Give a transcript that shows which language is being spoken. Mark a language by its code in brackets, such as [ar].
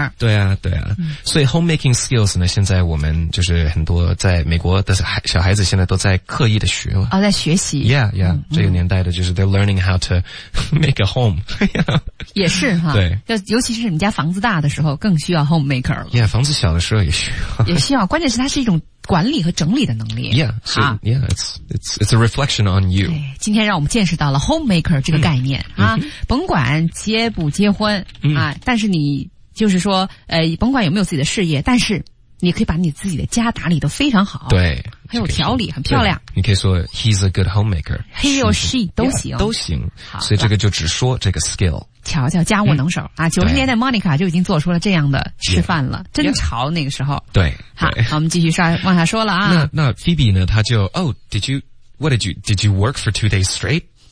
[zh] 对啊对啊、所以 homemaking skills 呢，现在我们就是很多在美国的小孩子现在都在刻意的学啊、在学习。 [en] yeah yeah、 [zh] 这个年代的就是 [en] they're learning how to make a home。 [zh] 也是哈，对，尤其是你家房子大的时候更需要 homemaker 了。 yeah, 房子小的时候也需要也需要，关键是它是一种管理和整理的能力。 [en] Yeah, so, yeah, it's a reflection on you. [zh] 对，今天让我们见识到了 homemaker 这个概念、甭管结不结婚、但是你就是说甭管有没有自己的事业，但是你可以把你自己的家打理得非常好。对。很有条理，很漂亮。你可以说 [en] he's a good homemaker. He or she, [zh] 都行。都行。好，所以这个就只说这个 skill。瞧瞧家务能手、90年代 Monica 就已经做出了这样的示范了、真潮那个时候。对，好，对，好，我们继续往下说了啊。那 Phoebe 呢，他就 [en] did you work for 2 days straight?